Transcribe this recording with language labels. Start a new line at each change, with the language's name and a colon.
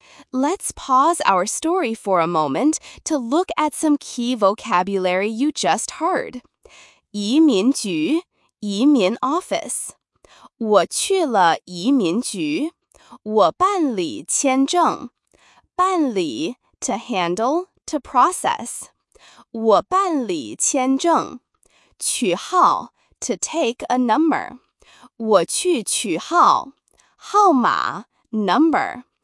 English: Let's pause our story for a moment to look at some key vocabulary you just heard.
Chinese: 移民局, 移民 office. 我去了移民局, 我办理签证.
English: 办理, to handle, to process.
Chinese: 我办理签证.
English: 取号, to take a number.
Chinese: 我去取号, 号码, number.